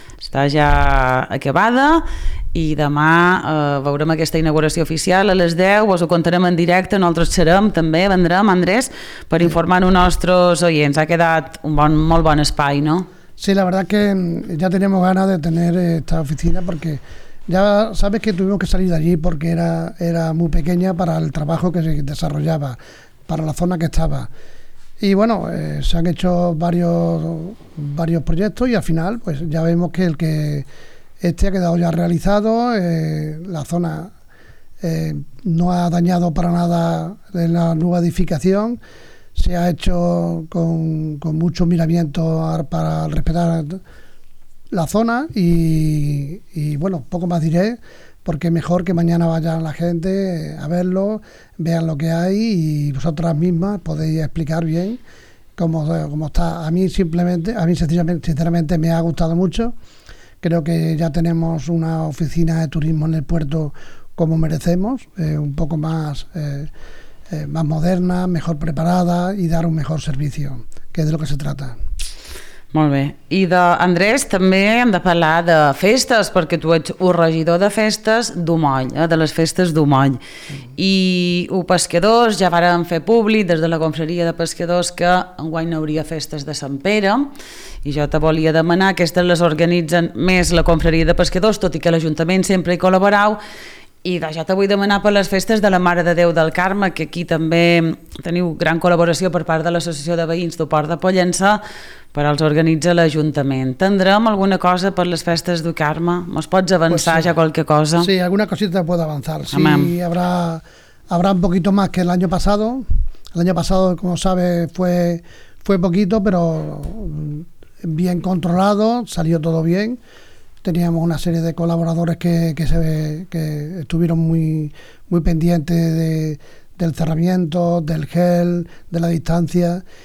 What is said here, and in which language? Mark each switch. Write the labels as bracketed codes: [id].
[ca] Està ja acabada i demà veurem aquesta inauguració oficial a les 10, us ho contarem en directe, nosaltres serem també, vendrem, Andrés, per informar els nostres oients. Ha quedat un molt bon espai, no? [es] Sí, la verdad que ya teníamos ganas de tener esta oficina porque ya sabes que tuvimos que salir de allí porque era muy pequeña para el trabajo que se desarrollaba, para la zona que estaba. Y bueno, se han hecho varios proyectos y al final pues ya vemos que este ha quedado ya realizado, la zona no ha dañado para nada en la nueva edificación, se ha hecho con mucho miramiento para respetar la zona y bueno, poco más diré, porque mejor que mañana vaya la gente a verlo, vean lo que hay y vosotras mismas podéis explicar bien cómo está. A mí sinceramente me ha gustado mucho. Creo que ya tenemos una oficina de turismo en el puerto como merecemos, un poco más, más moderna, mejor preparada y dar un mejor servicio, que es de lo que se trata. [ca] Molt bé. I d'Andrés també hem de parlar de festes, perquè tu ets un regidor de festes d'Humoll, de les festes d'Humoll. I un pescadors, ja vàrem fer públic des de la confraria de pescadors que enguany no hauria festes de Sant Pere, i jo te volia demanar, aquestes les organitzen més la confraria de pescadors, tot i que l'Ajuntament sempre hi col·laborau, i ja te vull demanar per les festes de la Mare de Déu del Carme, que aquí també teniu gran col·laboració per part de l'Associació de Veïns del Port de Pollença, però els organitza l'Ajuntament. Tindrem alguna cosa per les festes del Carme? Mos pots avançar pues sí. Ja qualque cosa? [es] Sí, alguna cosita puedo avanzar. Sí, habrá un poquito más que el año pasado. El año pasado, como sabes, fue poquito, pero bien controlado, salió todo bien. Teníamos una serie de colaboradores que estuvieron muy, muy pendientes del cerramiento, del gel, de la distancia.